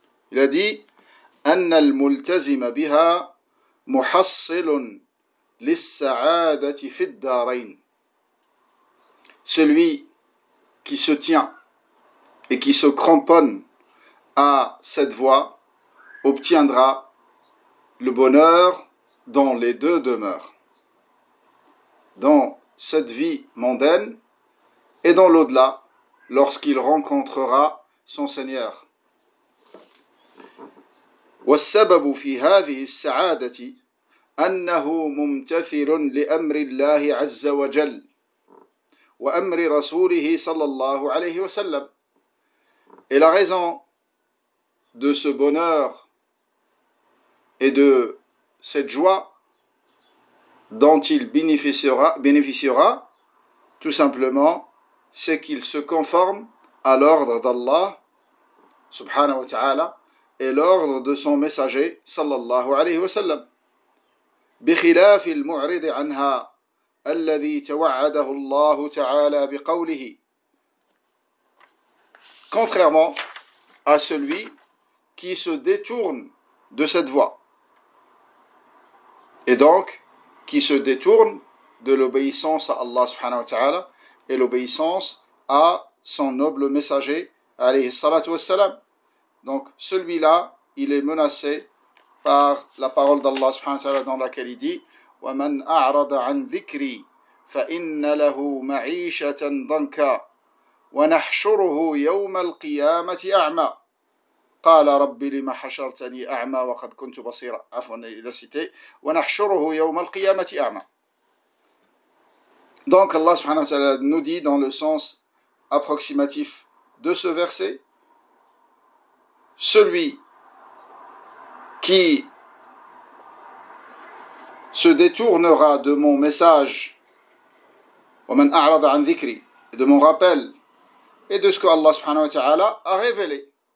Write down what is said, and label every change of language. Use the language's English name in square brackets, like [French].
[French] Il a dit « [Arabic] أن الملتزم بها محصل للسعادة في الدارين. [French] » Celui qui se tient et qui se cramponne à cette voie obtiendra le bonheur dans les deux demeures, dans cette vie mondaine et dans l'au-delà, lorsqu'il rencontrera son Seigneur. [Arabic] والسبب في هذه السعادة أنه ممتثل لأمر الله عز وجل وأمر رسوله صلى الله عليه وسلم. [French] Et la raison de ce bonheur et de cette joie dont il bénéficiera tout simplement, c'est qu'il se conforme à l'ordre d'Allah subhanahu wa ta'ala et l'ordre de son messager sallallahu alayhi wa sallam. [Arabic] بخلاف المعرض عنها الذي توعده الله تعالى بقوله. [French] Contrairement à celui qui se détourne de cette voie et donc qui se détourne de l'obéissance à Allah subhanahu wa ta'ala et l'obéissance à son noble messager alayhi salatu wa salam. Donc celui-là, il est menacé par la parole d'Allah subhanahu wa ta'ala dans laquelle il dit [Arabic] « وَمَنْ أَعْرَضَ عَنْ ذِكْرِي فَإِنَّ لَهُ مَعِيشَةً ضَنْكَ وَنَحْشُرُهُ يَوْمَ الْقِيَامَةِ أَعْمَى قَالَ رَبِّ لِمَ حَشَرْتَنِي أَعْمَى وَقَدْ كُنْتُ بَصِيرًا. [French] عفوا il a cité « [Arabic] وَنَحْشُرُهُ يَوْمَ الْقِيَامَةِ أَعْمَى. [French] » Donc Allah subhanahu wa ta'ala nous dit dans le sens approximatif de ce verset: celui qui se détournera de mon message, de mon rappel et de ce que Allah subhanahu wa ta'ala a révélé.